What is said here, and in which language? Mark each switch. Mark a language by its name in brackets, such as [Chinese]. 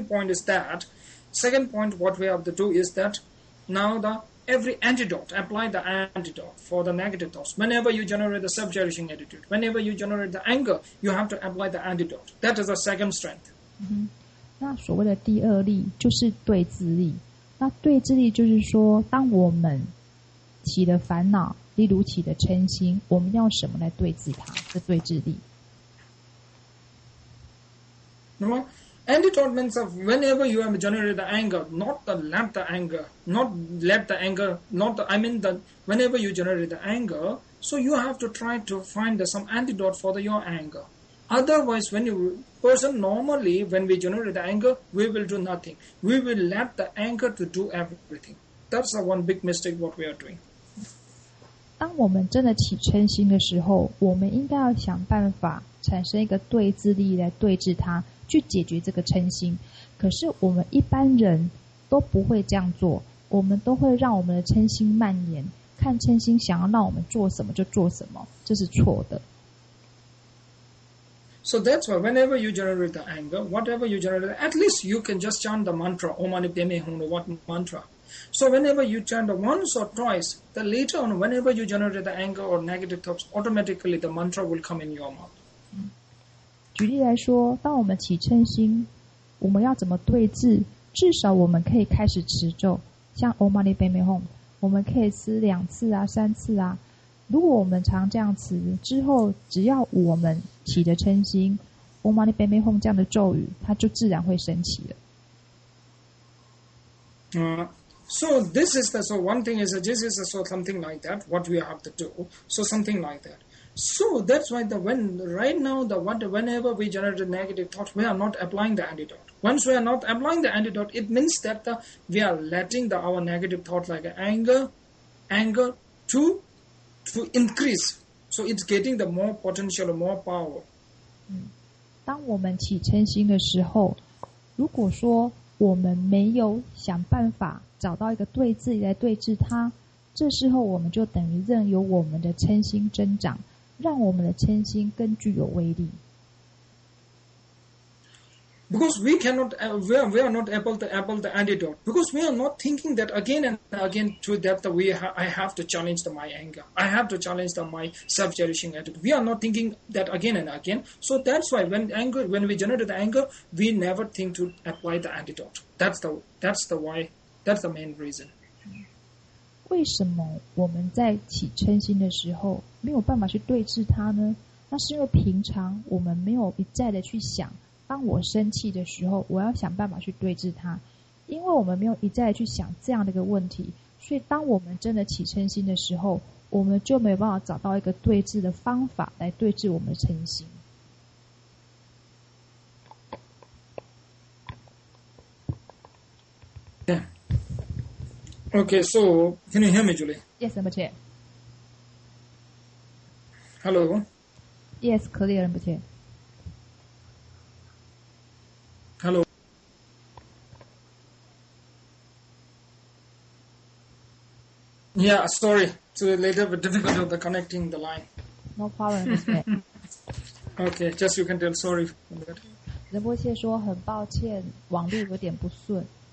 [English] Now the second point is that now the every antidote, apply the antidote for the negative thoughts. Whenever you generate the self-cherishing attitude, whenever you generate the anger, you have to apply the antidote. That is the second strength. [Chinese] 那所谓的第二力就是对治力。那对治力就是说，当我们起了烦恼。例如起的嗔心，我们要什么来对治它？这对治力。 [English] 那么 antidote means of whenever you have generated the anger, not the let the anger, not let the anger, not the, I mean the whenever you generate the anger, so you have to try to find some antidote for the, your anger. Otherwise, when you person normally when we generate the anger, we will do nothing. We will let the anger to do everything. That's the one big mistake what we are doing. [Chinese] 当我们真的起嗔心的时候，我们应该要想办法产生一个对治力来对治它，去解决这个嗔心。可是我们一般人都不会这样做，我们都会让我们的嗔心蔓延，看嗔心想要让我们做什么就做什么，这是错的。 [English] So that's why whenever you generate the anger, whatever you generate, at least you can just chant the mantra, Om Mani Padme Hum, what mantra. So whenever you chant the once or twice, the later on, whenever you generate the anger or negative thoughts, automatically the mantra will come in your mouth. [Chinese] 举例来说，当我们起嗔心，我们要怎么对治？至少我们可以开始持咒，像 Om Mani Padme Hum, 我们可以持两次啊，三次啊。如果我们常这样持，之后只要我们起的嗔心， Om Mani Padme Hum 这样的咒语，它就自然会升起了。 [English] So this is the, so one thing is, this is a, so something like that, what we have to do. So something like that. So that's why the, when, right now, the, what, whenever we generate a negative thought, we are not applying the antidote. Once we are not applying the antidote, it means that the, we are letting the, our negative thought like anger to increase. So it's getting the more potential, more power. [Chinese] 当我们起嗔心的时候，如果说我们没有想办法找到一个对治来对治它，这时候我们就等于任由我们的嗔心增长，让我们的嗔心更具有威力。 [English] Because we cannot, we are not able to apply the antidote. Because we are not thinking that again and again to that, that we I have to challenge the, my anger. I have to challenge the, my self-cherishing attitude. We are not thinking that again and again. So that's why when anger, when we generate the anger, we never think to apply the antidote. That's the why. That's the main reason. [Chinese] 为什么我们在起嗔心的时候没有办法去对治它呢？那是因为平常我们没有一再的去想。当我生气的时候，我要想办法去对治它，因为我们没有一再去想这样的一个问题，所以当我们真的起嗔心的时候，我们就没有办法找到一个对治的方法来对治我们的嗔心。 [English] Yeah. Okay, so can you hear me, Julie? Yes, I'm here. Hello. Yes, clear, I'm here. Hello. Yeah, sorry. So a little bit difficult of the connecting the line. No problem. Okay. Okay, just you can tell sorry for that. [Chinese] 仁波切说很抱歉，网络有点不顺。